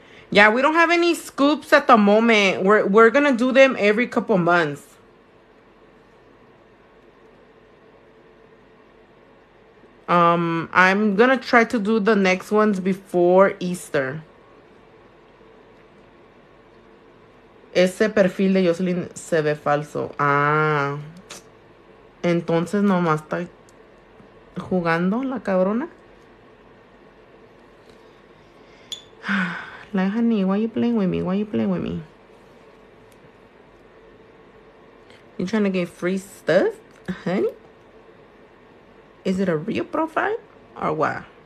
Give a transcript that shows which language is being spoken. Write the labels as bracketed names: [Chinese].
[English] Yeah, we don't have any scoops at the moment. We're gonna do them every couple months. I'm gonna try to do the next ones before Easter. [Spanish] Ese perfil de Jocelyn se ve falso. Ah. Entonces nomás está jugando la cabrona. [English] Like, honey, why you playing with me? Why you playing with me? You trying to get free stuff, honey? Is it a real profile or what?